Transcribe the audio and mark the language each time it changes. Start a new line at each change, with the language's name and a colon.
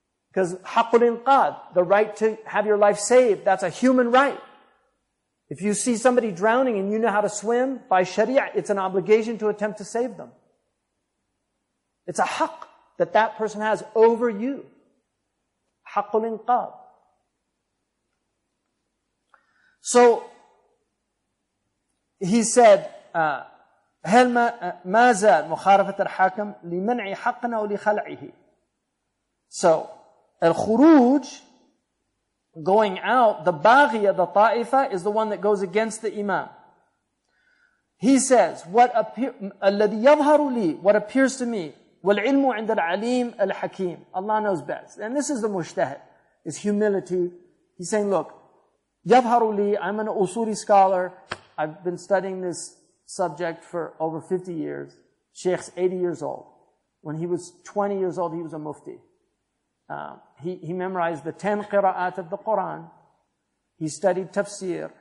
English: Because haqqul inqadh, the right to have your life saved, that's a human right. If you see somebody drowning and you know how to swim, by sharia, it's an obligation to attempt to save them. It's a haqq that that person has over you. Haqqul inqadh. So, he said,
Arabic: هل ما زال مخالفة الحاكم لمنع حقنا أو لخلعه.
English: So, الخروج, going out, the baghiya, the ta'ifa, is the one that goes against the imam. He says,
Arabic: الذي يظهر لي,
English: what appears to me,
Arabic: والعلم عند العليم الحكيم.
English: Allah knows best. And this is the mujtahid, is humility. He's saying, look,
Arabic: يظهر لي,
English: I'm an usuli scholar, I've been studying this subject for over 50 years. Sheikh's 80 years old. When he was 20 years old, he was a mufti. He memorized the 10 qira'at of the Qur'an. He studied tafsir.